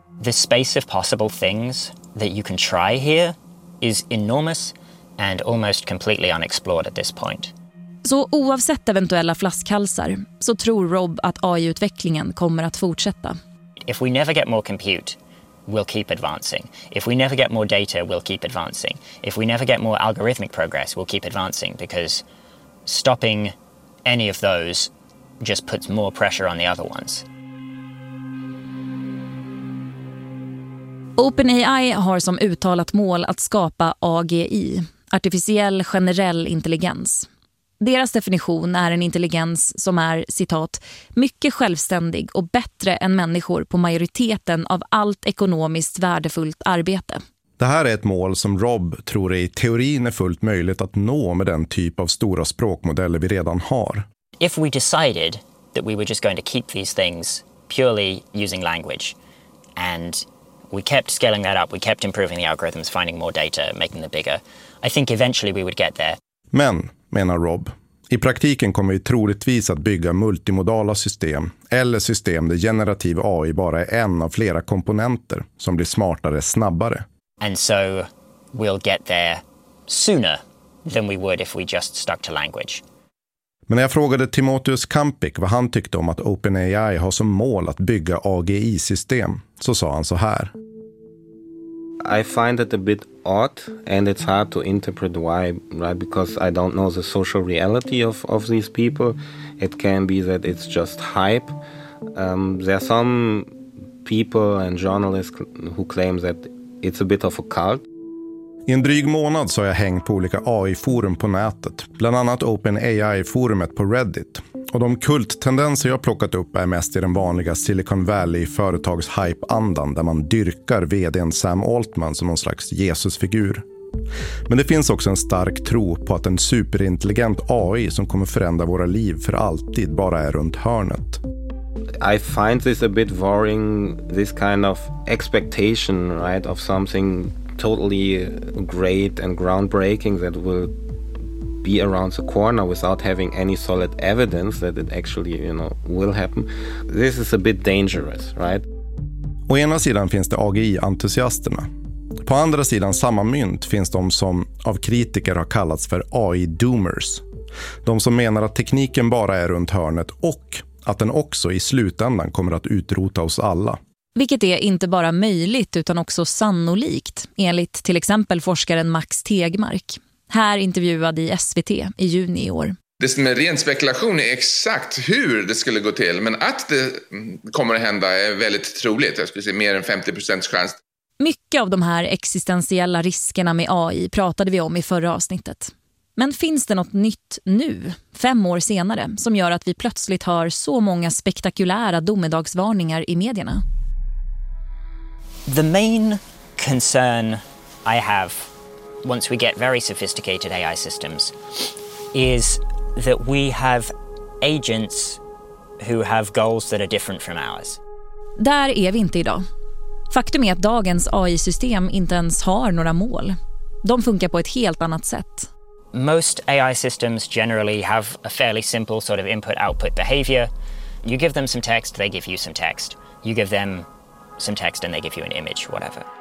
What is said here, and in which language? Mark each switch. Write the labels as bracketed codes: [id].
[en] The space of possible things that you can try here is enormous and almost completely unexplored at this point. [sv] Så oavsett eventuella flaskhalsar så tror Rob att AI-utvecklingen kommer att fortsätta. [en] If we never get more compute, we'll keep advancing. If we never get more data, we'll keep advancing. If we never get more algorithmic progress, we'll keep advancing. Because stopping any of those just puts more pressure on the other ones. [sv] OpenAI har som uttalat mål att skapa AGI, artificiell generell intelligens. Deras definition är en intelligens som är, citat, mycket självständig och bättre än människor på majoriteten av allt ekonomiskt värdefullt arbete. Det här är ett mål som Rob tror är i teorin är fullt möjligt att nå med den typ av stora språkmodeller vi redan har. [en] If we decided that we were just going to keep these things purely using language and we kept scaling that up, we kept improving the algorithms, finding more data, making them bigger, I think eventually we would get there. [sv] Men, menar Rob, i praktiken kommer vi troligtvis att bygga multimodala system eller system där generativ AI bara är en av flera komponenter som blir smartare snabbare. [en] And so we'll get there sooner than we would if we just stuck to language. [sv] Men när jag frågade Timotheus Kampik vad han tyckte om att OpenAI har som mål att bygga AGI-system så sa han så här. [en] I find it a bit odd and it's hard to interpret why, right? Because I don't know the social reality of these people. It can be that it's just hype. There are some people and journalists who claim that it's a bit of a cult. [sv] I en dryg månad så har jag hängt på olika AI-forum på nätet, bland annat OpenAI-forumet på Reddit. Och de kulttendenser jag plockat upp är mest i den vanliga Silicon Valley-företags-hype-andan där man dyrkar vdn Sam Altman som någon slags Jesusfigur. Men det finns också en stark tro på att en superintelligent AI som kommer förändra våra liv för alltid bara är runt hörnet. [en] I find this a bit worrying, this kind of expectation, right, of something totally great and groundbreaking that will be around the corner without having any solid evidence that it actually, you know, will happen. This is a bit dangerous, right? [sv] Å ena sidan finns det AGI-entusiasterna. På andra sidan samma mynt finns de som av kritiker har kallats för AI-doomers. De som menar att tekniken bara är runt hörnet och att den också i slutändan kommer att utrota oss alla. Vilket är inte bara möjligt utan också sannolikt, enligt till exempel forskaren Max Tegmark. Här intervjuad i SVT i juni i år. Det som är ren spekulation är exakt hur det skulle gå till. Men att det kommer att hända är väldigt troligt. Jag skulle säga mer än 50% chans. Mycket av de här existentiella riskerna med AI pratade vi om i förra avsnittet. Men finns det något nytt nu, 5 år senare, som gör att vi plötsligt har så många spektakulära domedagsvarningar i medierna? [en] The main concern I have once we get very sophisticated AI systems is that we have agents who have goals that are different from ours. [sv] Där är vi inte idag. Faktum är att dagens AI-system inte ens har några mål. De funkar på ett helt annat sätt. [en] Most AI systems generally have a fairly simple sort of input-output behavior. You give them some text, they give you some text. You give them some text and they give you an image, whatever.